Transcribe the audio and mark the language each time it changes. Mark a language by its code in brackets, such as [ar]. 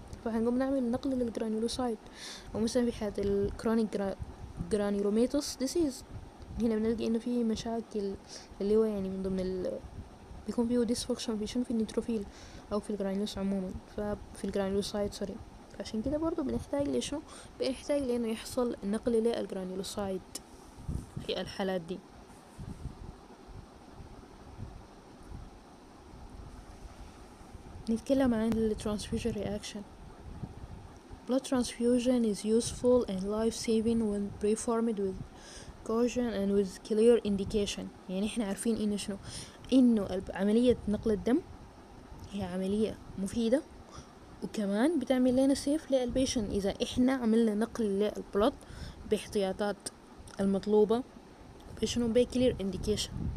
[ar] فهنقوم نعمل نقل للجرانيلوسايت. ومثلا في حالة الكرونيك جرانيلوميتوس ديسيز هنا بنلقى انه في مشاكل اللي هو يعني من ضمن بيكون فيه ديسفكشن في شنو، في النيتروفيل او في الجرانيلوس عموما، ففي الجرانيلوسايت سوري. فعشان كده برضو بنحتاج لشنو، بنحتاج لانه يحصل نقل للجرانيلوسايت في الحالات دي. نتكلم عن الترانسفيوجن رياكشن. [en] Blood transfusion is useful and life-saving when performed with caution and with clear indication. [ar] يعني إحنا عارفين إنه شنو، إنه عملية نقل الدم هي عملية مفيدة وكمان بتعمل لنا سيف للبيشن إذا إحنا عملنا نقل للبلد باحتياطات المطلوبة بشنو، بـ [en] clear indication.